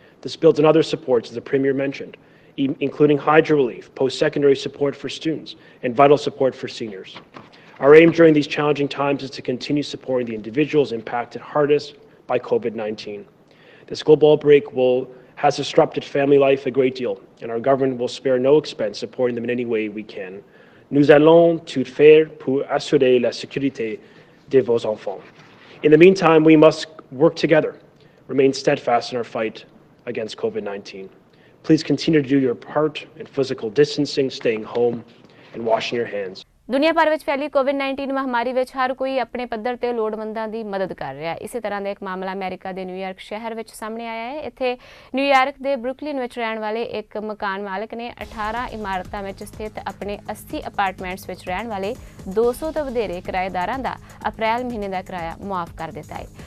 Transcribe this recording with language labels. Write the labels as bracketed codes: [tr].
[en] This builds on other supports, as the Premier mentioned, including hydro relief, post-secondary support for students, and vital support for seniors. Our aim during these challenging times is to continue supporting the individuals impacted hardest by COVID-19. This global outbreak has disrupted family life a great deal, and our government will spare no expense supporting them in any way we can. [fr] Nous allons tout faire pour assurer la sécurité de vos enfants. [en] In the meantime, we must work together, remain steadfast in our fight against COVID-19. Please continue to do your part in physical distancing, staying home, and washing your hands. [pa] ਦੁਨੀਆ ਭਰ ਵਿੱਚ ਫੈਲੀ ਕੋਵਿਡ-19 ਮਹਾਮਾਰੀ ਵਿੱਚ ਹਰ ਕੋਈ ਆਪਣੇ ਪੱਧਰ ਤੇ ਲੋੜਵੰਦਾਂ ਦੀ ਮਦਦ ਕਰ ਰਿਹਾ ਹੈ। ਇਸੇ ਤਰ੍ਹਾਂ ਦਾ ਇੱਕ ਮਾਮਲਾ ਅਮਰੀਕਾ ਦੇ ਨਿਊਯਾਰਕ ਸ਼ਹਿਰ ਵਿੱਚ ਸਾਹਮਣੇ ਆਇਆ ਹੈ। ਇੱਥੇ ਨਿਊਯਾਰਕ ਦੇ ਬਰੁਕਲਿਨ ਵਿੱਚ ਰਹਿਣ ਵਾਲੇ ਇੱਕ ਮਕਾਨ ਮਾਲਕ ਨੇ 18 ਇਮਾਰਤਾਂ ਵਿੱਚ ਸਥਿਤ ਆਪਣੇ 80 ਅਪਾਰਟਮੈਂਟਸ ਵਿੱਚ ਰਹਿਣ ਵਾਲੇ 200 ਤੋਂ ਵਧੇਰੇ ਕਿਰਾਏਦਾਰਾਂ ਦਾ ਅਪ੍ਰੈਲ ਮਹੀਨੇ ਦਾ ਕਿਰਾਇਆ ਮੁਆਫ ਕਰ ਦਿੱਤਾ ਹੈ।